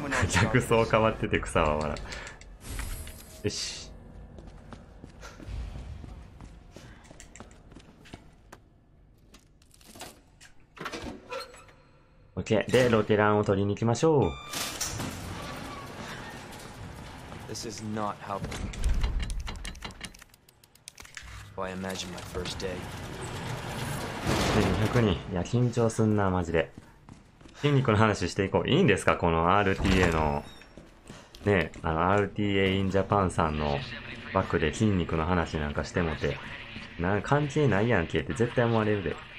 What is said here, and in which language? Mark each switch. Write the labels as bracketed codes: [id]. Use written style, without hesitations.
[ja] 逆走変わってて草は笑う。よし、オッケー。でロケランを取りに行きましょう。 [en] This is not how I imagine my first day. [ja] 200人、いや緊張すんなマジで。筋肉の話していこう。いいんですかこの RTA の、ね、あの RTA in Japan さんの枠で筋肉の話なんかしてもて。なんか関係ないやんけって絶対思われるで。